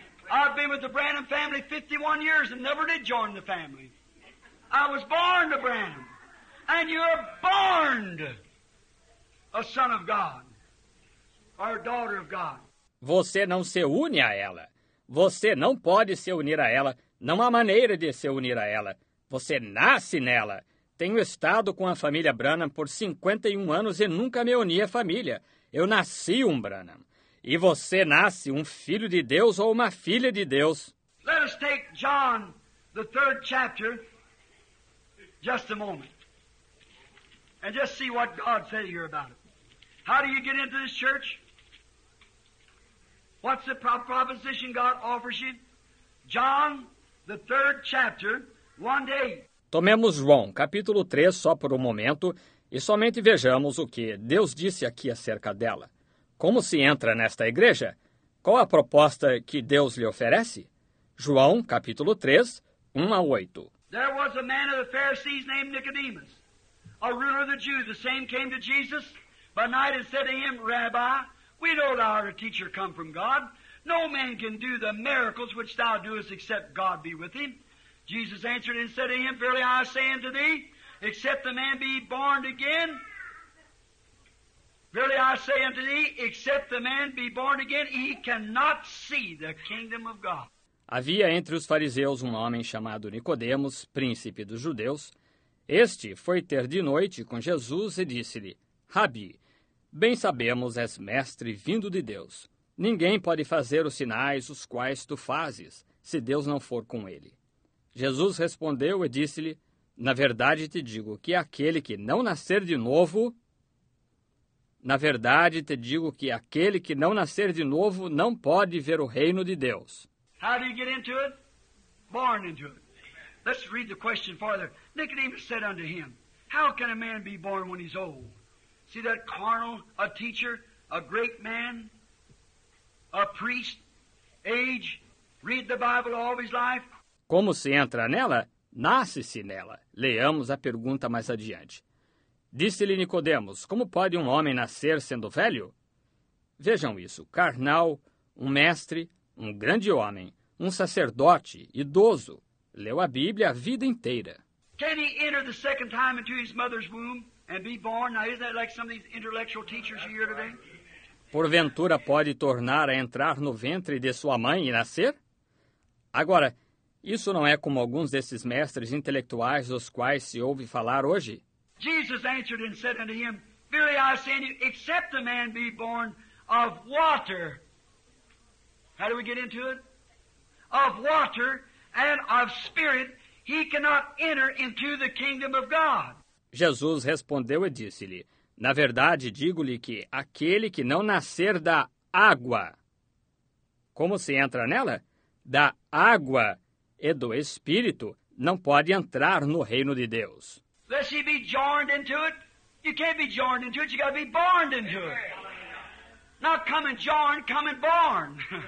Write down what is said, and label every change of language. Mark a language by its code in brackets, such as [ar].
[en] I've been with the Branham family 51 years and never did join the family. I was born to Branham. And you're born a son of God, or daughter of God. [pt] Você não se une a ela. Você não pode se unir a ela. Não há maneira de se unir a ela. Você nasce nela. Tenho estado com a família Branham por 51 anos e nunca me uni à família. Eu nasci um Branham. E você nasce um filho de Deus ou uma filha de Deus. [en] Let us take John, the third chapter, just a moment. And just see what God said here about it. How do you get into this church? What's the proposition God offers you? John, the third chapter, 1-8. [pt] Tomemos João, capítulo 3, só por um momento, e somente vejamos o que Deus disse aqui acerca dela. Como se entra nesta igreja? Qual a proposta que Deus lhe oferece? João, capítulo 3, 1-8. [en] There was a man of the Pharisees named Nicodemus. A ruler of the Jews, the same came to Jesus by night and said to him, Rabbi, we know thou art a teacher come from God. No man can do the miracles which thou doest except God be with him. Jesus answered and said to him, Verily I say unto thee, except the man be born again, verily I say unto thee, except the man be born again, he cannot see the kingdom of God. [pt] Havia entre os fariseus um homem chamado Nicodemos, príncipe dos judeus. Este foi ter de noite com Jesus e disse-lhe, Rabi, bem sabemos, és mestre vindo de Deus. Ninguém pode fazer os sinais os quais tu fazes, se Deus não for com ele. Jesus respondeu e disse-lhe, na verdade te digo que aquele que não nascer de novo, Na verdade, te digo que aquele que não nascer de novo não pode ver o reino de Deus. [en] How do you get into it? Born into it. Let's read the question farther. Nicodemus said unto him, how can a man be born when he's old? See that carnal, a teacher, a great man, a priest, age, read the Bible all his life? [pt] Como se entra nela? Nasce-se nela. Leamos a pergunta mais adiante. Disse-lhe Nicodemos, como pode um homem nascer sendo velho? Vejam isso, carnal, um mestre, um grande homem, um sacerdote, idoso, leu a Bíblia a vida inteira. [en] Can he enter the second time into his mother's womb and be born? Now, isn't that like some of these intellectual teachers you hear today? [pt] Porventura pode tornar a entrar no ventre de sua mãe e nascer? Agora, isso não é como alguns desses mestres intelectuais dos quais se ouve falar hoje? [en] Jesus answered and said unto him, Verily I say unto you, except a man be born of water. How do we get into it? Of water and of spirit, he cannot enter into the kingdom of God. [pt] Jesus respondeu e disse-lhe, Na verdade, digo-lhe que aquele que não nascer da água, como se entra nela? Da água e do Espírito, não pode entrar no reino de Deus. [en] Unless he be joined into it, you can't be joined into it, you got to be born into it. Not come and join, come and born.